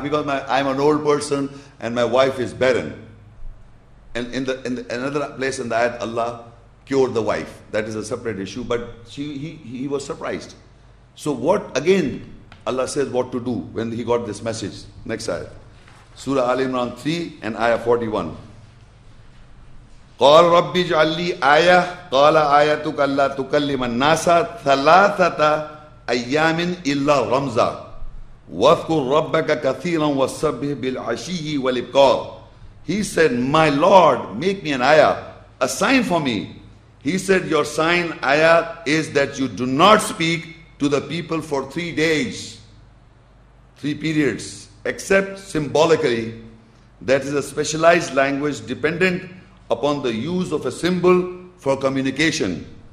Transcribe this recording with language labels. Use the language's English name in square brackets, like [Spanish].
[English] Because I'm an old person and my wife is barren. And in another place in the ayat, Allah cured the wife. That is a separate issue. But he was surprised. So what, again, Allah says what to do when he got this message. Next ayat. Surah Al Imran 3 and ayah 41. [Arabic] قال رب اجعل لي آية قال آيتك ألا تكلم الناس ثلاثة أيام إلا رمزا واذكر ربك كثيرا وسبح بالعشي والإبكار. [English] He said, my Lord, make me an ayah, a sign for me. He said, your sign ayah is that you do not speak to the people for 3 days, 3 periods, except symbolically. That is a specialized language dependent upon the use of a symbol for communication.